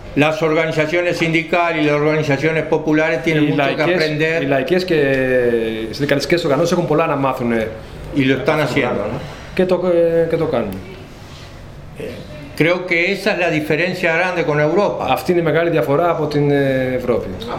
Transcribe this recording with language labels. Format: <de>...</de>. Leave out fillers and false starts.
<es>las organizaciones sindicales y las organizaciones populares tienen mucho que aprender.</es> <el>Οι λαϊκές και οι συνδικαλιστικές οργανώσεις έχουν πολλά να μάθουν.</el> <es>Y lo están haciendo.</es> <el>Και το κάνουν.</el> <es>Creo que esa es la diferencia grande con Europa.</es> <el>Αυτή είναι η μεγάλη διαφορά από την Ευρώπη.</el>